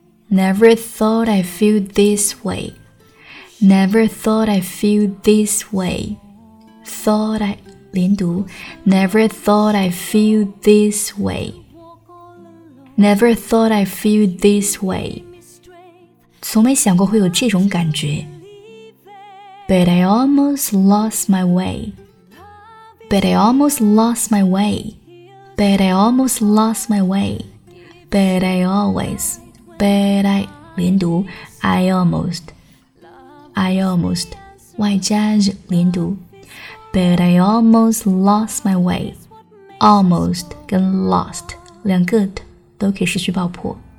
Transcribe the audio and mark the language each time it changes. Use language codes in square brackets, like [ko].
[en] Never thought I'd feel this way. Never thought I'd feel this way. Thought I, [zh] 连读 [en] Never thought I'd feel this way. Never thought I'd feel this way. [zh] 从没想过会有这种感觉。 [en] But I almost lost my way. But I almost lost my way. But I almost lost my way. But I always. But I. [zh] 连读 [en] I almost. I almost. [zh] 外加连读 [en] But I almost lost my way. [zh] Almost 跟 lost 两个的都可以失去爆破。